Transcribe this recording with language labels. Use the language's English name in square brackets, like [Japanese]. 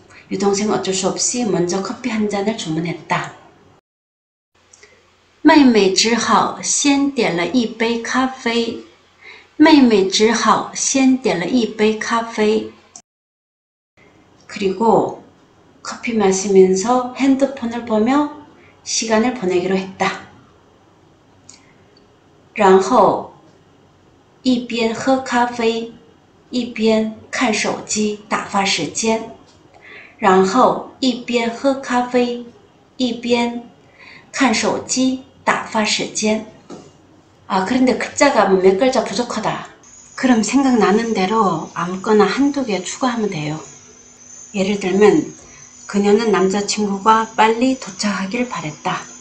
[Korean] 유동생 어쩔 수 없이 먼저 커피 한 잔을 주문했다. [Chinese] 妹妹只好先点了一杯咖啡。妹妹只好先点了一杯咖啡。 [Korean] 그리고 커피 마시면서 핸드폰을 보며 시간을 보내기로 했다. [Chinese] 然后, 一边喝咖啡, 一边看手机, 打发时间. 然后, 一边喝咖啡, 一边看手机, 打发时间. [Korean] 아, 그런데 글자가 몇 글자 부족하다. 그럼 생각나는 대로 아무거나 한두 개 추가하면 돼요. 예를 들면, 그녀는 남자친구가 빨리 도착하길 바랬다.